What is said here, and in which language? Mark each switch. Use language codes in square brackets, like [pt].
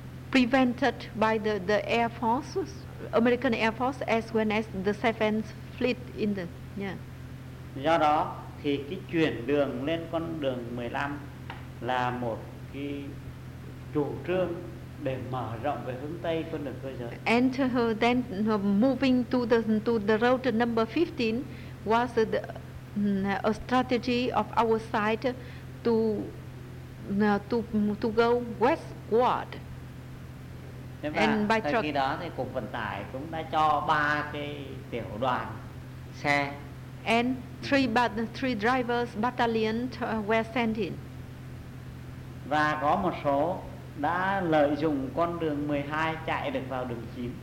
[en] prevented by the Air Force, American Air Force, as well as the 7th Fleet in the, yeah. [vi] Do đó thì cái chuyển đường lên con đường 15 là một cái chủ trương để mở rộng về hướng Tây con đường cơ giới. [en] And then moving to the road number 15 was a strategy of our side to go westward. And by truck. [vi] Khi đó thì cục vận tải cũng đã cho ba cái tiểu đoàn xe. [en] And three drivers battalion were sent in. [vi] Và có một số đã lợi dụng con đường 12 chạy được vào đường 9.